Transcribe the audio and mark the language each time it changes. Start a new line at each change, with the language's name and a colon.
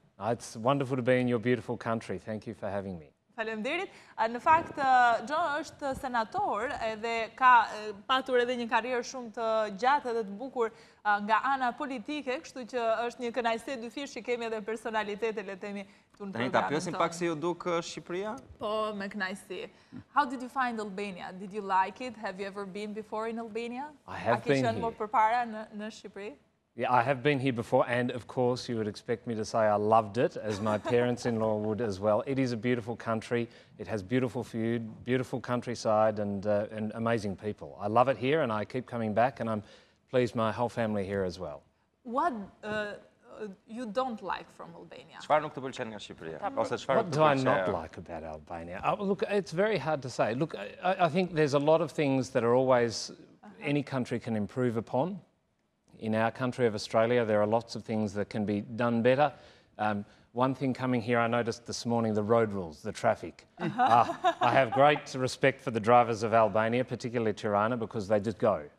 English: It's wonderful to be in your beautiful country. Thank you for having me.
Albanian: Faleminderit. Në fakt, Jono është senator edhe ka patur edhe një karrierë shumë të gjatë edhe të bukur nga ana politike, kështu që është një kënaqësi dyfishë që kemi edhe personalitete, le të themi, këtu në programin. Ta pyesim pak si ju duk Shqipëria? Po, me kënaqësi.
English: How did you find Albania? Did you like it? Have you ever been before in Albania? I have been here.
Albanian: A ke qenë më përpara në Shqipëri?
English: Yeah, I have been here before, and of course you would expect me to say I loved it, as my parents-in-law would as well. It is a beautiful country. It has beautiful food, beautiful countryside, and amazing people. I love it here, and I keep coming back, and I'm pleased my whole family here as well. What you don't like from Albania?
Albanian: Çfarë nuk të pëlqen nga Shqipëria? Ose çfarë nuk të pëlqen?
English: What do I not like about Albania? Look, it's very hard to say. Look, I think there's a lot of things that are always any country can improve upon. In our country of Australia, there are lots of things that can be done better. One thing coming here, I noticed this morning, the road rules, the traffic. I have great respect for the drivers of Albania, particularly Tirana, because they just go.